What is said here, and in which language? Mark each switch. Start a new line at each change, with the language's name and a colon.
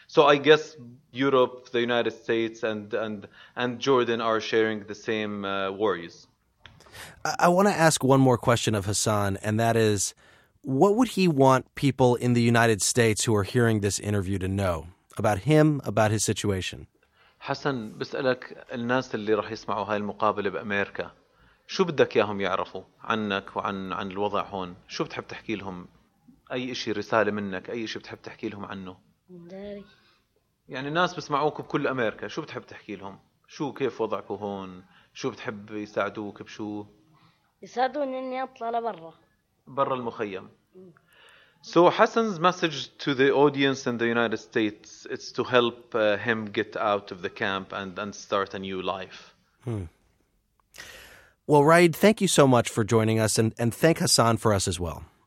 English: So I guess Europe, the United States, and Jordan are sharing the same worries. I want to ask one more question of Hassan, and that is, what would he want people in the United States who are hearing this interview to know about him, about his situation?
Arabic: Hassan, بسألك الناس اللي راح يسمعوا هاي المقابلة بأمريكا شو بدك ياهم يعرفوا عنك وعن الوضع هون شو بتحب تحكي لهم أي إشي رسالة منك أي إشي بتحب تحكي لهم عنه داري يعني الناس بسمعوك بكل أمريكا شو بتحب تحكي لهم شو كيف وضعك هون شو بتحب يساعدوك بشو؟ يساعدوني إني أطلع لبرا. برا المخيم.
English: So Hassan's message to the audience in the United States is to help him get out of the camp and start a new life. Well, Raed, thank you so much for joining us and thank Hassan for us as well.